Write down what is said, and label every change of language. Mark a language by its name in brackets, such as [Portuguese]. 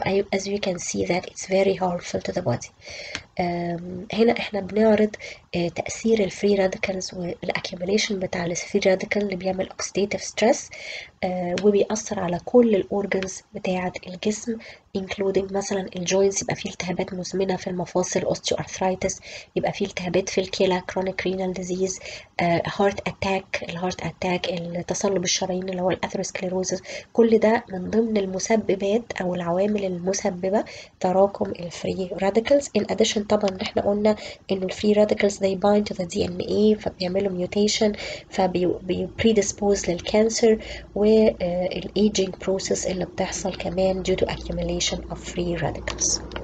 [English] So as you can see that it's very harmful to the body. [Arabic] هنا احنا بنعرض تأثير الفري radicals والaccumulation بتاع الفري radical اللي بيعمل oxidative stress وبيأثر على كل الأورجنز بتاعة الجسم including مثلا الجوينتس يبقى فيه التهابات مزمنة في المفاصل osteoarthritis يبقى فيه التهابات في الكلى [English] chronic renal disease heart attack [Arabic] الheart attack التصلب الشرايين اللي هو الاثروسكليروزس كل ده من ضمن المسببات أو العوامل المسببة تراكم الفري radicals. [English] In addition [Arabic] طبعا احنا قلنا ان الفري راديكلز [English] they bind to the DNA فبيعملوا mutation فبيpredispose للكانسر والaging process اللي بتحصل كمان due to accumulation of free radicals.